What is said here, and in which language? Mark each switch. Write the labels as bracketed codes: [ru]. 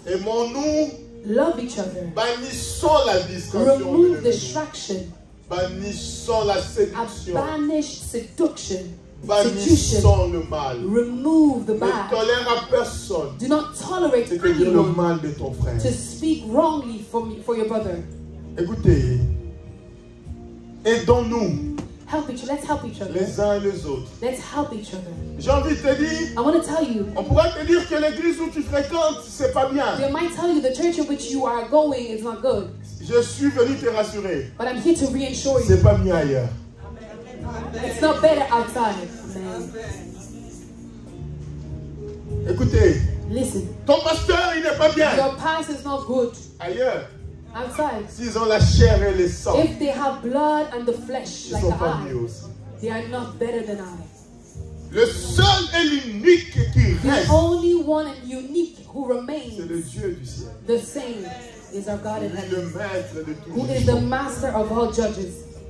[fr] Aimons-nous. [en] Love each other. [fr] Bannissons la distraction. [en] Remove distraction. [fr] Bannissons la séduction. [en] Banish seduction. [fr] Bannissons le mal. [en] Remove the bad. [fr] Ne tolère à personne. [en] Do not tolerate [fr] de dire le mal de ton frère. [en] To speak wrongly for your brother. [fr] Écoutez. Aidons-nous. [en] Help each other. Let's help each other. [fr] Les uns et les autres. [en] Let's help each other. [fr] J'ai envie de te dire. [en] I want to tell you. [fr] On pourrait te dire que l'église où tu fréquentes, c'est pas bien. [en] They might tell you the church in which you are going is not good. [fr] Je suis venu te rassurer. [en] But I'm here to reassure you. [fr] C'est pas mieux ailleurs. [en] It's not better outside. [fr] Man. Écoutez. [en] Listen. [fr] Ton pasteur, il n'est pas bien. [en] Your pastor is not good. [fr] Ailleurs. [en] Outside. [fr] S'ils ont la chair et le sang. [en] If they have blood and the flesh [fr] ils [en] like [fr] sont pas [en] I, [fr] mieux aussi. [en] They are not better than I. [fr] Le seul et l'unique qui [en] the [fr] reste. [en] The only one and unique who remains. [fr] C'est le Dieu du ciel. [en] The same is our God in heaven. [fr] Le maître de tous. [en] Who is the master of all judges.